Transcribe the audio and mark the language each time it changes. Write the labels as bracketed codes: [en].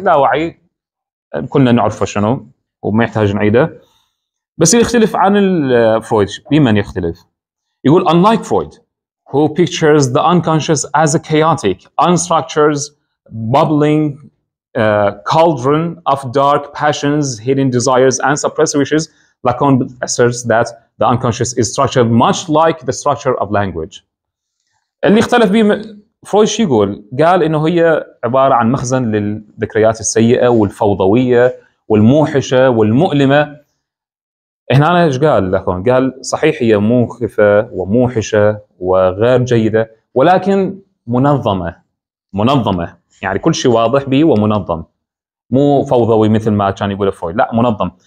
[ar] لاوعي كلنا نعرفه شنو وما يحتاج نعيده، بس يختلف عن فرويد. بمن يختلف؟ يقول [en] unlike Freud who pictures the unconscious as a chaotic, unstructured, bubbling cauldron of dark passions, hidden desires and suppressed wishes, Lacan asserts that the unconscious is structured much like the structure of language. [ar] اللي اختلف بيه فرويد شو يقول؟ قال انه هي عبارة عن مخزن للذكريات السيئة والفوضوية والموحشة والمؤلمة. هنا أنا إيش قال لاكون؟ قال صحيح هي موقفة وموحشة وغير جيدة، ولكن منظمة منظمة، يعني كل شيء واضح به ومنظم، مو فوضوي مثل ما كان يقول فرويد، لا منظم.